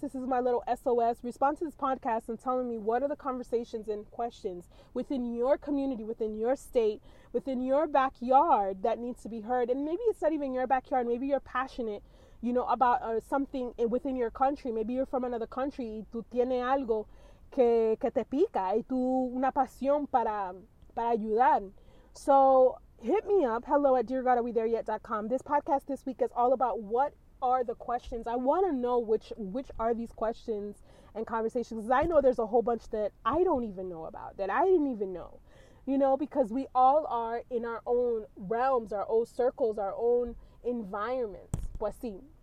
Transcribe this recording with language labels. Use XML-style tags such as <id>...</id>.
<en>This is my little SOS. Respond to this podcast and telling me what are the conversations and questions within your community, within your state, within your backyard that needs to be heard. And maybe it's not even your backyard. Maybe you're passionate, you know, about something within your country. Maybe you're from another country.</en> <es>Tú tienes algo que te pica y tú una pasión para ayudar.</es> <en>So hit me up. Hello at DearGodAreWeThereYet.com. This podcast this week is all about what are the questions? I want to know which are these questions and conversations. I know there's a whole bunch that I don't even know about, that I didn't even know, you know, because we all are in our own realms, our own circles, our own environments.</en> <es>Pues sí.</es>